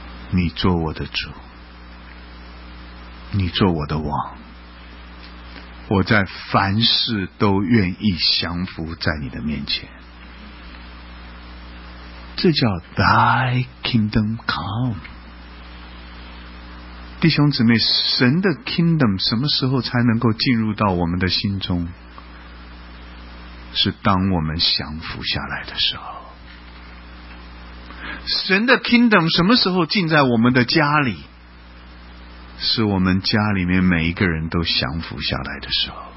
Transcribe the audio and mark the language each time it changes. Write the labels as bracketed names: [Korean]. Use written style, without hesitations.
[Chinese] 你做我的主。你做我的王，我在凡事都愿意降服在你的面前。这叫 [English] Thy kingdom come。 [Chinese] 弟兄姊妹，神的 kingdom 什么时候才能够进入到我们的心中？是当我们降服下来的时候。神的 kingdom 什么时候进在我们的家里？是我们家里面每一个人都降服下来的时候。